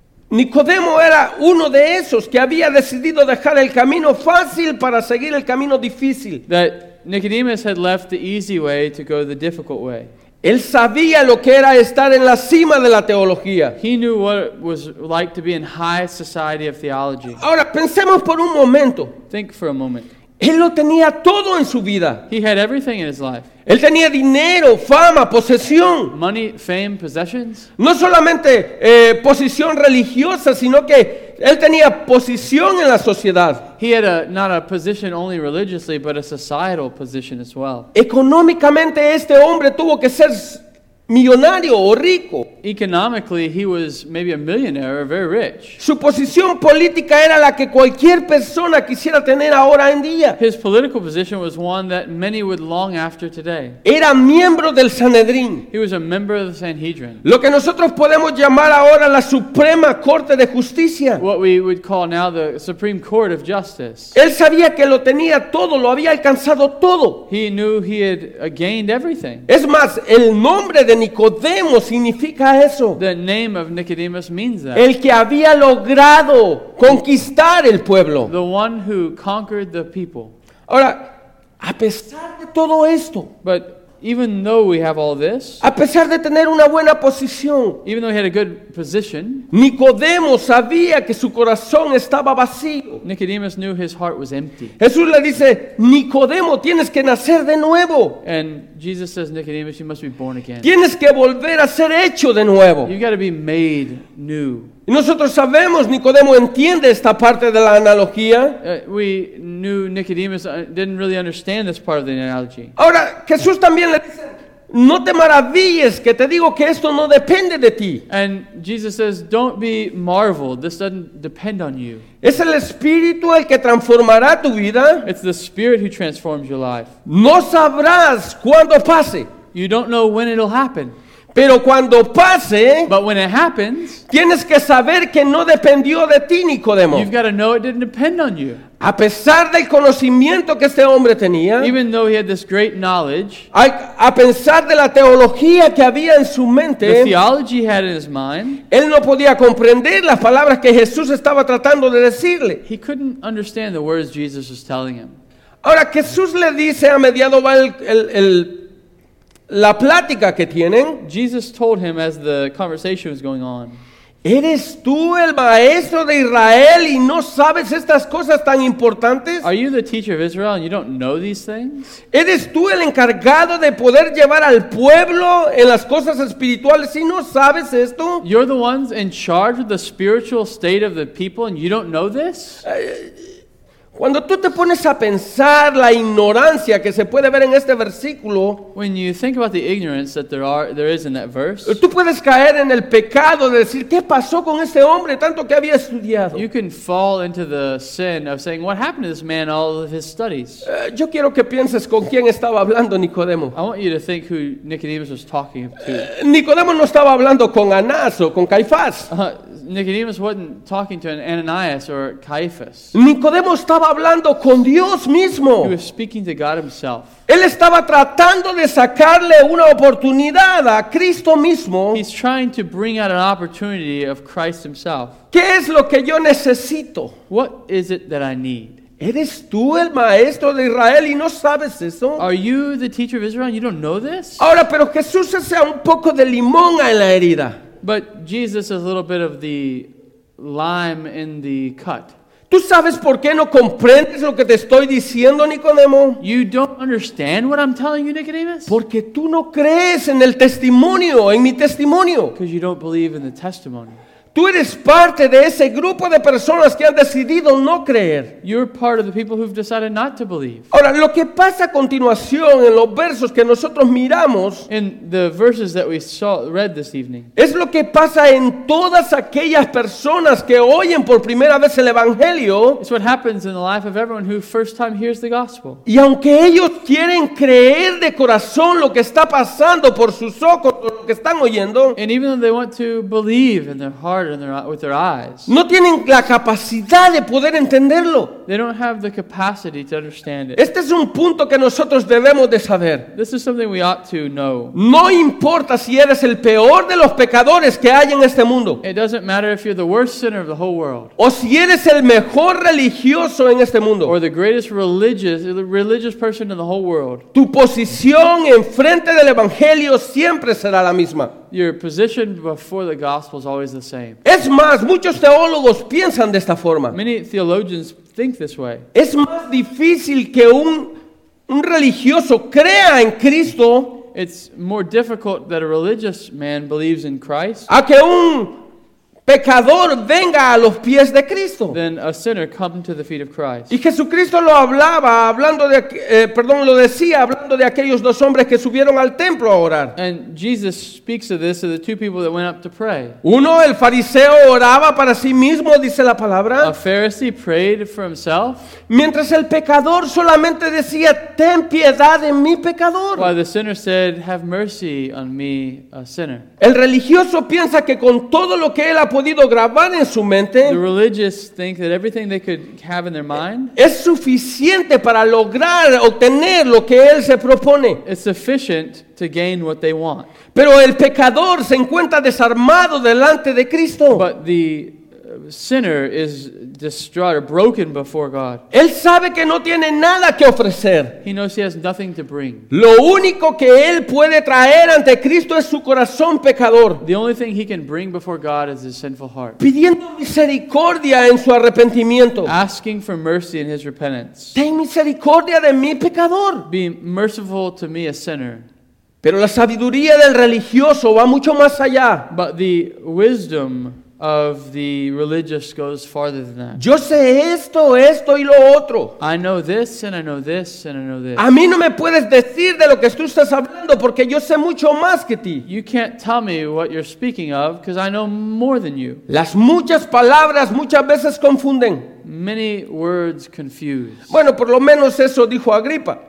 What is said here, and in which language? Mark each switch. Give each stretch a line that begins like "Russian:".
Spanish: Nicodemo era uno de esos que había decidido dejar el camino fácil para seguir el camino difícil.
English: That Nicodemus had left the easy way to go the difficult way.
Spanish: Él sabía lo que era estar en la cima de la teología.
English: He knew what it was like to be in high society of theology.
Spanish: Ahora, pensemos por un momento.
English: Think for a moment.
Spanish: Él lo tenía todo en su vida.
English: He had everything in his life.
Spanish: Él tenía dinero, fama, posesión.
English: Money, fame, possessions.
Spanish: No solamente posición religiosa, sino que él tenía posición en la sociedad.
English: He had not a position only religiously, but a societal position as well.
Spanish: Económicamente, este hombre tuvo que ser millonario o rico.
English: Economically, he was maybe a millionaire or very rich.
Spanish: Su posición política era la que cualquier persona quisiera tener ahora en día.
English: His political position was one that many would long after today.
Spanish: Era miembro del Sanedrín.
English: He was a member of the Sanhedrin.
Spanish: Lo que nosotros podemos llamar ahora la Suprema Corte de Justicia.
English: What we would call now the Supreme Court of Justice.
Spanish: Él sabía que lo tenía todo, lo había alcanzado todo.
English: He knew he had gained everything.
Spanish: Es más, el nombre de Nicodemo significa eso.
English: The name of Nicodemus means that.
Spanish: El que había logrado conquistar el pueblo.
English: The one who conquered the people.
Spanish: Ahora, a pesar de todo esto,
English: but even though we have all this,
Spanish: a pesar de tener una buena posición,
English: even though he had a good position,
Spanish: Nicodemo sabía que su corazón estaba vacío.
English: Nicodemus knew his heart was empty.
Spanish: Jesús le dice, Nicodemo, tienes que nacer de nuevo.
English: And Jesus says, Nicodemus, you must be born again.
Spanish: Tienes que volver a ser hecho de nuevo.
English: You got to be made new.
Spanish: Y nosotros sabemos, Nicodemo entiende esta parte de la analogía.
English: We knew Nicodemus didn't really understand this part of the analogy.
Spanish: Ahora, Jesús también le dice, no te maravilles que te digo que esto no depende de ti.
English: And Jesus says, don't be marveled. This doesn't depend on you.
Spanish: Es el Espíritu el que transformará tu vida.
English: It's the Spirit who transforms your life.
Spanish: No sabrás cuándo pase.
English: You don't know when it'll happen.
Spanish: Pero cuando pase,
English: but when it happens,
Spanish: tienes que saber que no dependió de ti, Nicodemo.
English: You've got to know it didn't depend on you.
Spanish: A pesar del conocimiento que este hombre tenía,
English: even though he had this great knowledge,
Spanish: a pesar de la teología que había en su mente,
English: the theology he had in his mind,
Spanish: él no podía comprender las palabras que Jesús estaba tratando de decirle.
English: He couldn't understand the words Jesus was telling him.
Spanish: Ahora Jesús le dice a mediado va el la plática que tienen.
English: Jesus told him as the conversation was going on.
Spanish: ¿Eres tú el maestro de Israel y no sabes estas cosas tan importantes?
English: Are you the teacher of Israel and you don't know these things?
Spanish: ¿Eres tú el encargado de poder llevar al pueblo en las cosas espirituales y no sabes esto?
English: You're the ones in charge of the spiritual state of the people and you don't know this?
Spanish: Cuando tú te pones a pensar la ignorancia que se puede ver en este versículo,
English: when you think about the ignorance that there is in that verse,
Spanish: tú puedes caer en el pecado de decir, ¿qué pasó con este hombre tanto que había estudiado?
English: You can fall into the sin of saying, what happened to this man, all of his studies?
Spanish: Yo quiero que pienses con quién estaba hablando Nicodemo.
English: I want you to think who Nicodemus was talking to.
Spanish: Nicodemo no estaba hablando con Anás o con Caifás.
English: Nicodemus wasn't talking to an Ananias or Caiaphas.
Spanish: Nicodemo estaba hablando con Dios mismo.
English: He was speaking to God himself.
Spanish: Él estaba tratando de sacarle una oportunidad a Cristo mismo.
English: He's trying to bring out an opportunity of Christ himself.
Spanish: ¿Qué es lo que yo necesito?
English: What is it that I need?
Spanish: ¿Eres tú el maestro de Israel y no sabes eso?
English: Are you the teacher of Israel and you don't know this?
Spanish: Ahora, pero Jesús echa un poco de limón en la herida.
English: But Jesus is a little bit of the lime in the cut.
Spanish: ¿Tú sabes por qué no comprendes lo que te estoy diciendo, Nicodemo?
English: You don't understand what I'm telling you, Nicodemus?
Spanish: Porque tú no crees en el testimonio, en mi testimonio.
English: Because you don't believe in the testimony.
Spanish: Tú eres parte de ese grupo de personas que han decidido no creer.
English: You're part of the people who've decided not to believe.
Spanish: Ahora, lo que pasa a continuación en los versos que nosotros miramos,
English: in the verses that we saw, read this evening,
Spanish: es lo que pasa en todas aquellas personas que oyen por primera vez el Evangelio.
English: It's what happens in the life of everyone who first time hears the gospel.
Spanish: Y aunque ellos quieren creer de corazón lo que está pasando por sus ojos, lo que están oyendo,
English: and even though they want to believe in their heart, with their eyes.
Spanish: No tienen la capacidad de poder entenderlo.
English: They don't have the capacity to understand it.
Spanish: Este es un punto que nosotros debemos de saber.
English: This is something we ought to know.
Spanish: No importa si eres el peor de los pecadores que hay en este mundo.
English: It doesn't matter if you're the worst sinner of the whole world.
Spanish: O si eres el mejor religioso en este mundo.
English: Or the greatest religious person in the whole world.
Spanish: Tu posición en frente del Evangelio siempre será la misma.
English: Your position before the gospel is always the same.
Spanish: Es más, muchos teólogos piensan de esta forma.
English: Many theologians think this way.
Spanish: Es más difícil que un religioso crea en Cristo.
English: It's more difficult that a religious man believes in Christ.
Spanish: A que un pecador venga a los pies de Cristo.
English: Then a sinner come to the feet of Christ.
Spanish: Y Jesucristo lo hablaba, hablando de aquellos dos hombres que subieron al templo a orar.
English: And Jesus speaks of this, of the two people that went up to pray.
Spanish: Uno, el fariseo, oraba para sí mismo, dice la palabra.
English: A Pharisee prayed for himself.
Spanish: Mientras el pecador solamente decía, ten piedad de mi pecador.
English: While the sinner said, have mercy on me, a sinner.
Spanish: El religioso piensa que con todo lo que él ha podido grabar en su mente,
English: the religious think that everything they could have in their mind,
Spanish: es suficiente para lograr obtener lo que él se propone.
English: It's sufficient to gain what they want.
Spanish: Pero el pecador se encuentra desarmado delante de Cristo.
English: But the sinner is distraught or broken before God.
Spanish: Él sabe que no tiene nada que ofrecer.
English: He knows he has nothing to bring.
Spanish: Lo único que él puede traer ante Cristo es su corazón pecador.
English: The only thing he can bring before God is his sinful heart.
Spanish: Pidiendo misericordia en su arrepentimiento.
English: Asking for mercy in his repentance.
Spanish: Ten misericordia de mi pecador.
English: Be merciful to me, a sinner.
Spanish: Pero la sabiduría del religioso va mucho más allá.
English: But the wisdom of the religious goes farther than that.
Spanish: Yo sé esto, esto y lo otro.
English: I know this and I know this and I know this.
Spanish: A mí no me puedes decir de lo que tú estás hablando porque yo sé mucho más que ti.
English: You can't tell me what you're speaking of because I know more than you.
Spanish: Las muchas palabras muchas veces confunden.
English: Many words confuse.
Spanish: Bueno, por lo menos eso dijo Agripa.